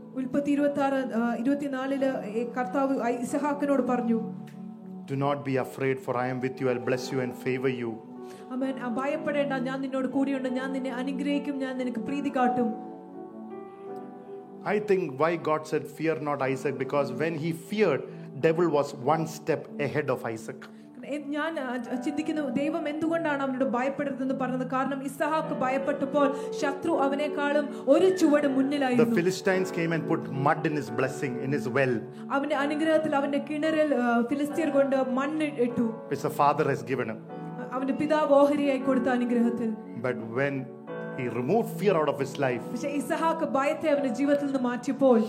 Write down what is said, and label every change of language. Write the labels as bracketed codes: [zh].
[ml] ഉൽപ്പത്തി 26:24-ൽ കർത്താവ് ഇസഹാക്കിനോട് പറഞ്ഞു, [en] Do not be afraid, for I am with you, I'll bless you and favor you. Amen. [ml] ഭയപ്പെടേണ്ട, ഞാൻ നിന്നോട് കൂടിയുണ്ട്, ഞാൻ നിന്നെ അനുഗ്രഹിക്കും, ഞാൻ നിനക്ക് പ്രീതി കാട്ടും. [en] I think why God said fear not Isaac, because when he feared, devil was one step ahead of Isaac. [ml] ഞാൻ ചിന്തിക്കുന്നു, ദൈവം എന്തുകൊണ്ടാണ് അവനോട് ഭയപ്പെടരുതെന്ന് പറഞ്ഞത്? കാരണം ഇസ്ഹാക്ക് ഭയപ്പെട്ടപ്പോൾ ശത്രു അവനേക്കാളും ഒരു ചുവട് മുന്നിലായിരുന്നു. [en] The Philistines came and put mud in his blessing, in his well. [ml] അവന്റെ അനുഗ്രഹത്തിൽ അവന്റെ കിണറിൽ ഫിലിസ്തീർ കൊണ്ട് മണ്ണ് ഇട്ടു. [en] His father has given him. [ml] അവന്റെ പിതാവ് ഓഹരിയായി കൊടുത്ത അനുഗ്രഹത്തിൽ. [en] But when he removed fear out of his life, [ml] പക്ഷേ ഇസ്ഹാക്ക് ഭയത്തെ അവന്റെ ജീവിതത്തിൽ നിന്ന് മാറ്റിയപ്പോൾ,